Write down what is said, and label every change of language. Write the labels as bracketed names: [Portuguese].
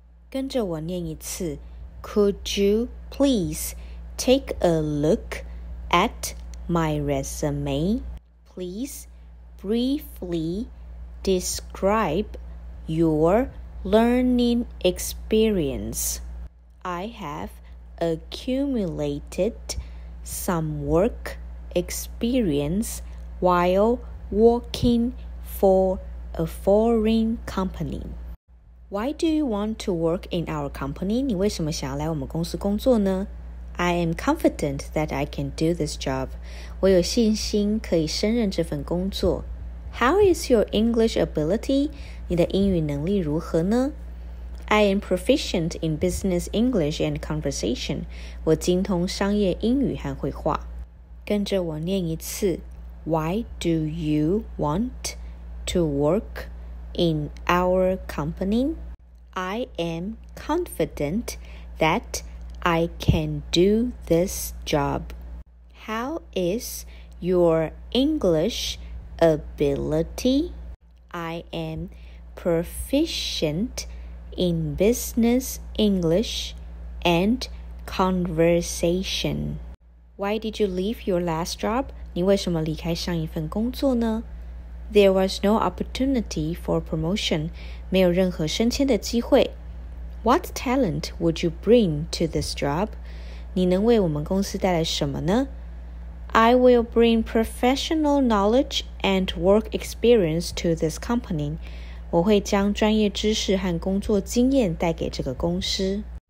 [Chinese] 跟着我念一次。 [English] Could you please take a look at my resume? Please briefly describe your learning experience. I have accumulated some work experience while working for a foreign company. Why do you want to work in our company? [Chinese] 你为什么想要来我们公司工作呢？ [English] I am confident that I can do this job. [Chinese] 我有信心可以胜任这份工作。 [English] How is your English ability? [Chinese] 你的英语能力如何呢？ [English] I am proficient in business English and conversation. [Chinese] 我精通商业英语和绘画。跟着我念一次。 [English] Why do you want to work in our company? I am confident thatI can do this job. How is your English ability? I am proficient in business English and conversation. Why did you leave your last job? [Chinese] 你为什么离开上一份工作呢? [English] There was no opportunity for promotion. [Chinese] 没有任何升迁的机会。 [English] What talent would you bring to this job? [Chinese] 你能为我们公司带来什么呢? [English] I will bring professional knowledge and work experience to this company. [Chinese] 我会将专业知识和工作经验带给这个公司。